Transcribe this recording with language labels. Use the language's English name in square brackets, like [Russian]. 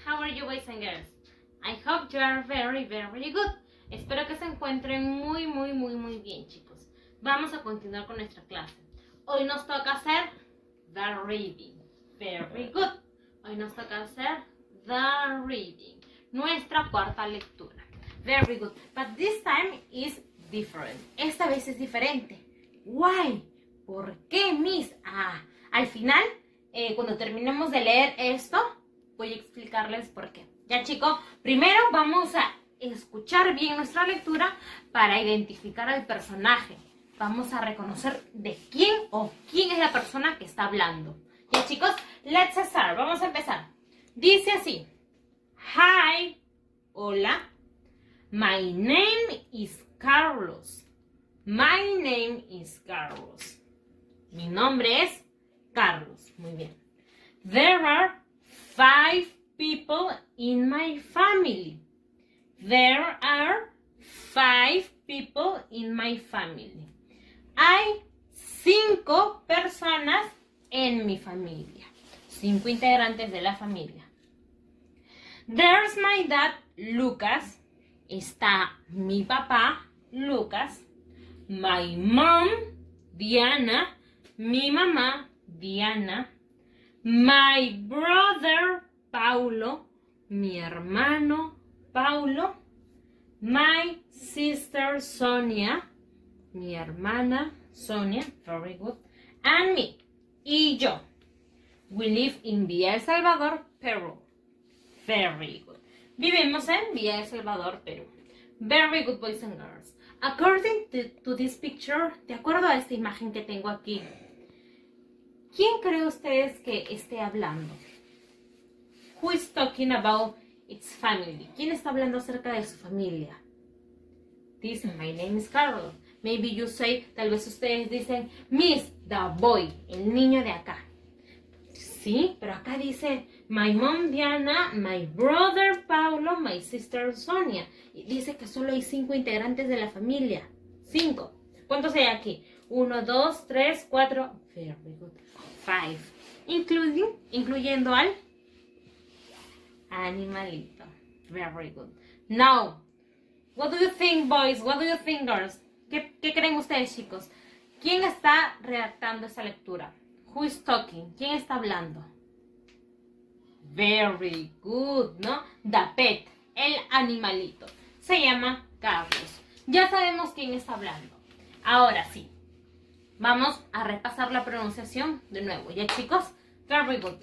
[English] How are you, boys and girls? I hope you are very, very good. [Spanish] Espero que se encuentren muy, muy, muy, muy bien, chicos. Vamos a continuar con nuestra clase. Hoy nos toca hacer [English] the reading. Very good. [Spanish] Hoy nos toca hacer [English] the reading. [Spanish] Nuestra cuarta lectura. [English] Very good. But this time is different. [Spanish] Esta vez es diferente. [English] Why? [Spanish] ¿Por qué, Miss? Al final... cuando terminemos de leer esto, voy a explicarles por qué. Ya, chicos, primero vamos a escuchar bien nuestra lectura para identificar al personaje. Vamos a reconocer de quién o quién es la persona que está hablando. Ya, chicos, [English] let's start. [Spanish] Vamos a empezar. Dice así. Hi. Hola. [English] My name is Carlos. My name is Carlos. [Spanish] Mi nombre es... Carlos, muy bien. [English] There are 5 people in my family. There are 5 people in my family. [Spanish] Hay 5 personas en mi familia. 5 integrantes de la familia. [English] There's my dad, Lucas. [Spanish] Está mi papá, Lucas. [English] My mom, Diana. [Spanish] Mi mamá, Diana, [English] my brother, Paulo, [Spanish] mi hermano, Paulo, [English] my sister, Sonia, mi hermana, Sonia, very good, and me, [Spanish] y yo. [English] We live in Villa El Salvador, Perú. Very good. [Spanish] Vivimos en Villa El Salvador, Perú. [English] Very good, boys and girls. According to this picture, [Spanish] de acuerdo a esta imagen que tengo aquí, ¿quién cree ustedes que esté hablando? [English] Who is talking about its family? [Spanish] ¿Quién está hablando acerca de su familia? Dice, [English] my name is Carlos. Maybe you say, [Spanish] tal vez ustedes dicen, Miss, [English] the boy, [Spanish] el niño de acá. Sí, pero acá dice, [English] my mom Diana, my brother Paulo, my sister Sonia. [Spanish] Y dice que solo hay 5 integrantes de la familia. 5. ¿Cuántos hay aquí? [English] 1, 2, 3, 4. Very good. 5. [Spanish] Incluyendo al animalito. [English] Very good. Now, what do you think, boys? What do you think, girls? [Spanish] ¿Qué creen ustedes, chicos? ¿Quién está redactando esa lectura? [English] Who is talking? [Spanish] ¿Quién está hablando? [English] Very good, ¿no? The pet, [Spanish] el animalito. Se llama Carlos. Ya sabemos quién está hablando. Ahora sí. Vamos a repasar la pronunciación de nuevo, ¿ya, chicos? [English] Very good.